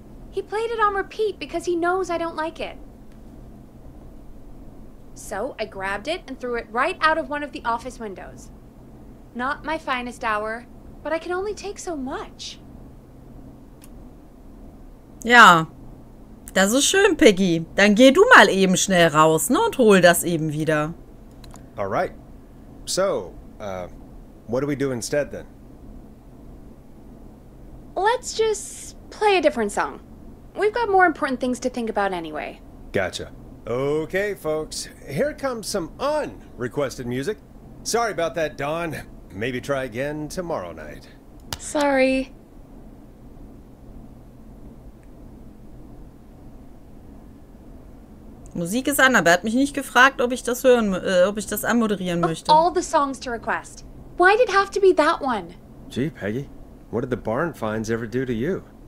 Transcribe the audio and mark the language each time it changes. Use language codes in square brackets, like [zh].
[en] He played it on repeat because he knows I don't like it. So I grabbed it and threw it right out of one of the office windows. Not my finest hour, but I can only take so much. [de] Ja, das ist schön, Peggy. Dann geh du mal eben schnell raus, ne, und hol das eben wieder. [en] All right. So, what do we do instead then? Let's just play a different song. We've got more important things to think about anyway. Gotcha. Okay, folks. Here comes some unrequested music. Sorry about that, Dawn. Maybe try again tomorrow night. Sorry. [de] Musik ist an, aber er hat mich nicht gefragt, ob ich das hören, ob ich das anmoderieren möchte. [en] Of all the songs to request. Why did it have to be that one? Gee, Peggy. What did the barn finds ever do to you?